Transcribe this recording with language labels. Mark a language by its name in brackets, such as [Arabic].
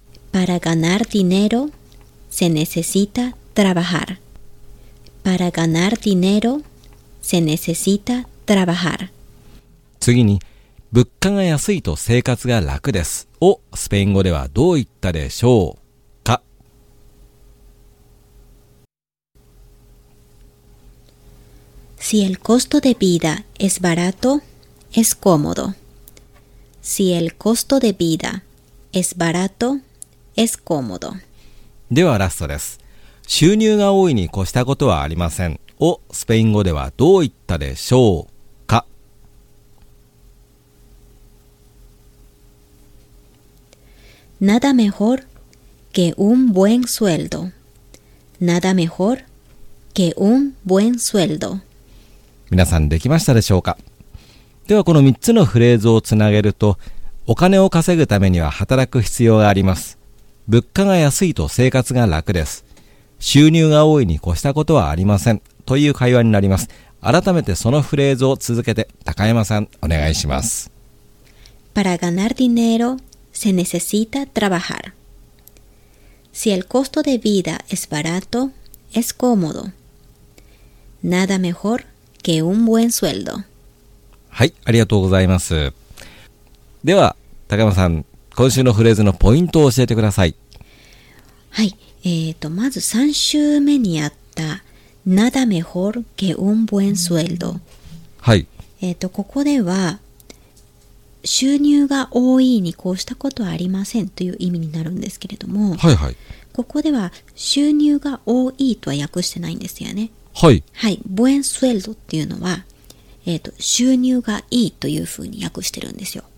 [Spanish] Para ganar dinero se necesita trabajar. Para ganar dinero se necesita trabajar. [Japanese] 次に、物価が安いと生活が楽ですをスペイン語ではどう言ったでしょうか？ [Spanish] Si el costo de vida es barato, es cómodo. Si el costo de vida es baratoEs cómodo. [Japanese] ではラストです。収入が多いに越したことはありませんをスペイン語ではどう言ったでしょうか？ [Spanish] Nada mejor que un buen sueldo. Nada mejor que un buen sueldo. [Japanese] 皆さんできましたでしょうか？ではこの3つのフレーズをつなげると、お金を稼ぐためには働く必要があります、物価が安いと生活が楽です、収入が多いに越したことはありませんという会話になります。改めてそのフレーズを続けて高山さんお願いします。 [Spanish] Para ganar dinero se necesita trabajar. Si el costo de vida es barato, es cómodo. Nada mejor que un buen sueldo. [Japanese] はい、ありがとうございます。では高山さん、今週のフレーズのポイントを教えてください。はい、まず3週目にあった [Spanish] Nada mejor que un buen sueldo。 [Japanese] はい、ここでは収入が多いに越したことはありませんという意味になるんですけれども、はいはい、ここでは収入が多いとは訳してないんですよね。はい、はい、 [Spanish] buen sueldo [Japanese] っていうのは、収入がいいというふうに訳してるんですよ。